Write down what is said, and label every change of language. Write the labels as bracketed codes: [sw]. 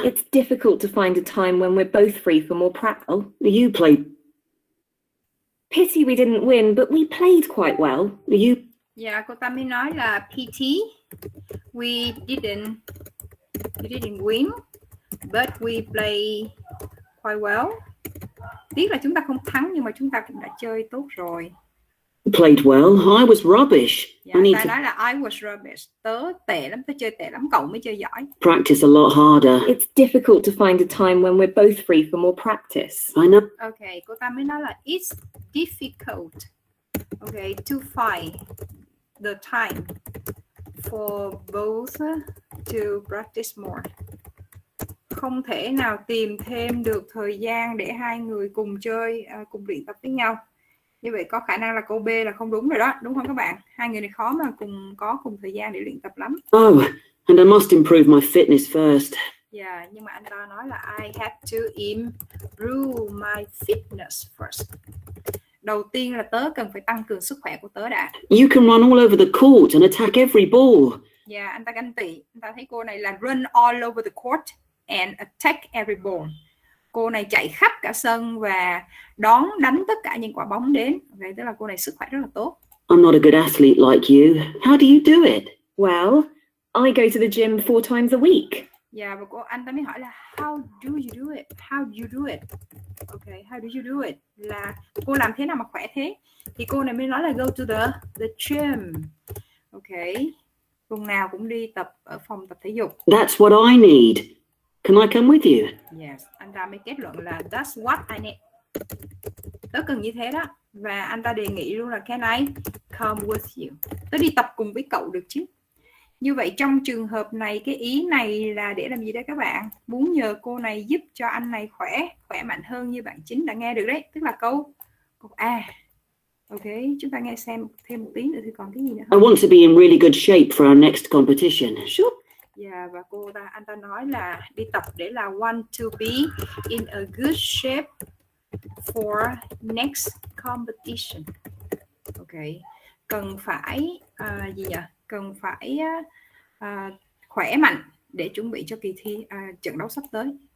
[en] It's difficult to find a time when we're both free for more practice. You played. Pity we didn't win, but we played quite well. You. [vi] Dạ, cô ta mới nói là PT. [en] We didn't win, but we play quite well. [vi] Tiếc là chúng ta không thắng nhưng mà chúng ta cũng đã chơi tốt rồi. [en] Played well. I was rubbish. I [vi] Dạ, [en] need [vi] ta [en] to [vi] nói là [en] I was rubbish. [vi] Tớ tệ lắm, tớ chơi tệ lắm, cậu mới chơi giỏi. [en] practice a lot harder. It's difficult to find a time when we're both free for more practice. I know. [vi] Ok, cô ta mới nói là [en] it's difficult. Ok, to find the time for both to practice more. [vi] Không thể nào tìm thêm được thời gian để hai người cùng chơi, cùng luyện tập với nhau. Như vậy có khả năng là câu B là không đúng rồi đó, đúng không các bạn? Hai người này khó mà cùng có cùng thời gian để luyện tập lắm. [en] Oh, and I must improve my fitness first. Yeah, [vi] nhưng mà anh ta nói là [en] I have to improve my fitness first. [vi] Đầu tiên là tớ cần phải tăng cường sức khỏe của tớ đã. [en] You can run all over the court and attack every ball. [vi] Yeah, anh ta ganh tị. Anh ta thấy cô này là [en] run all over the court and attack every ball. [vi] Cô này chạy khắp cả sân và đón đánh tất cả những quả bóng đến. Vậy tức là cô này sức khỏe rất là tốt. [en] I'm not a good athlete like you. How do you do it? Well, I go to the gym 4 times a week. Yeah, [vi] và cô anh ta mới hỏi là [en] how do you do it? How do you do it? [vi] Okay, [en] how do you do it? [vi] Là cô làm thế nào mà khỏe thế? Thì cô này mới nói là [en] go to the gym. [vi] Okay. Tuần nào cũng đi tập ở phòng tập thể dục. [en] That's what I need. Can I come with you? [vi] Yes, anh ta mới kết luận là [en] that's what I need. [vi] Tớ cần như thế đó. Và anh ta đề nghị luôn là [en] can I come with you? [vi] Tớ đi tập cùng với cậu được chứ? Như vậy trong trường hợp này cái ý này là để làm gì đấy các bạn? Muốn nhờ cô này giúp cho anh này khỏe, khỏe mạnh hơn như bạn chính đã nghe được đấy. Tức là câu A. Ok, chúng ta nghe xem thêm một tí nữa thì còn cái gì nữa [en] I want to be in really good shape for our next competition. Sure. [vi] Yeah, và cô ta anh ta nói là đi tập để là [en] want to be in a good shape for next competition. [vi] Ok, cần phải gì nhỉ? Cần phải khỏe mạnh để chuẩn bị cho kỳ thi trận đấu sắp tới.